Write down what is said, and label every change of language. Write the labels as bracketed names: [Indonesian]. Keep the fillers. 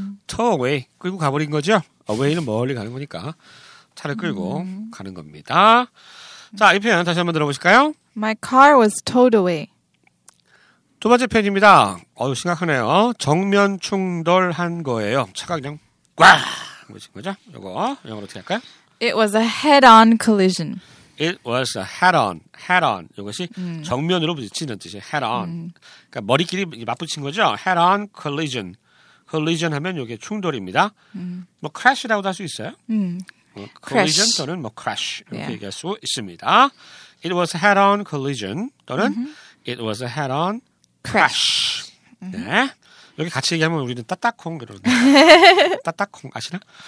[English] tow away [Korean] 끌고 가버린 거죠. away는 멀리 가는 거니까 차를 끌고 가는 겁니다. 자, 이 표현 다시 한번 들어보실까요? [English] My car was towed away. [Korean] 두 번째 표현입니다. 어우 심각하네요. 정면 충돌한 거예요. 차가 그냥 꽉 뭐지 거죠? 이거 영어로 어떻게 할까요? [English] It was a head-on collision. It was a head-on. head-on. [Korean] 이것이 정면으로 부딪히는 뜻이에요. [English] head-on. [Korean] 그러니까 머리끼리 맞붙인 거죠. [English] head-on collision. [Korean] collision 하면 이게 충돌입니다. 뭐 crash라고도 할 수 있어요. 음. 뭐 [English] crash. [Korean] collision 또는 뭐 crash 이렇게 [English] Yeah. [Korean] 얘기할 수 있습니다. [English] It was a head-on collision [Korean] 또는 [English] it was a head-on crash. [Korean] 네. 여기 같이 얘기하면 우리는 따따콩 그러는데 따따콩 아시나?